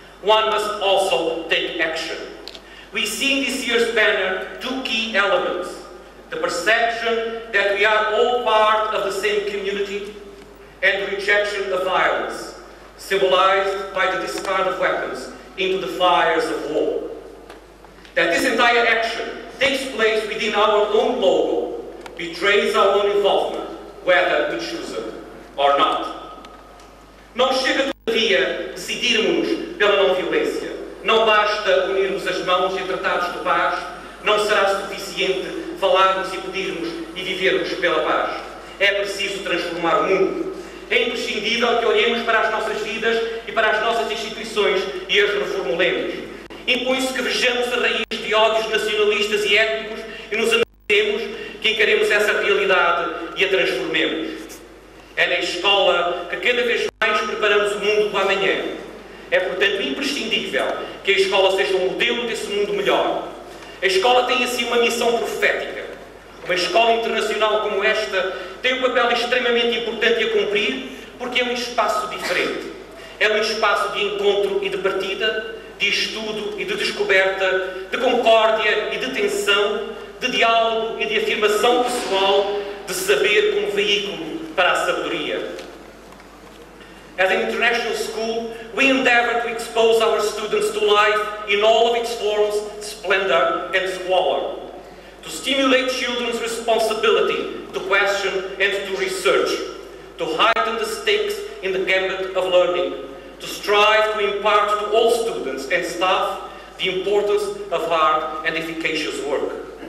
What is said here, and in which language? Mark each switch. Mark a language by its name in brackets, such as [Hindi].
[English] One must also take action. We see in this year's banner two key elements: the perception that we are all part of the same community, and rejection of violence, symbolized by the discard of weapons into the fires of war. That this entire action takes place within our own logo betrays our own involvement, whether we choose it or not. [Portuguese] Não chega todavia decidirmos pela não violência. Não basta unirmos as mãos em tratados de paz. Não será suficiente falarmos e pedirmos e vivermos pela paz. É preciso transformar o mundo. É imprescindível que olhemos para as nossas vidas e para as nossas instituições e as reformulemos. Impõe-se que vejamos a raiz de ódios nacionalistas e étnicos e nos analisemos, que encaremos essa realidade e a transformemos. É na escola que cada vez mais preparamos o mundo para amanhã. É, portanto, imprescindível que a escola seja um modelo desse mundo melhor. A escola tem, assim, uma missão profética. Uma escola internacional como esta tem um papel extremamente importante a cumprir, porque é um espaço diferente. É um espaço de encontro e de partida, de estudo e de descoberta, de concórdia e de tensão, de diálogo e de afirmação pessoal, de saber como veículo para a sabedoria. [English] As an international school, we endeavor to expose our students to life in all of its forms, splendor and squalor. To stimulate children's responsibility to question and to research. To heighten the stakes in the gambit of learning. To strive to impart to all students and staff the importance of hard and efficacious work.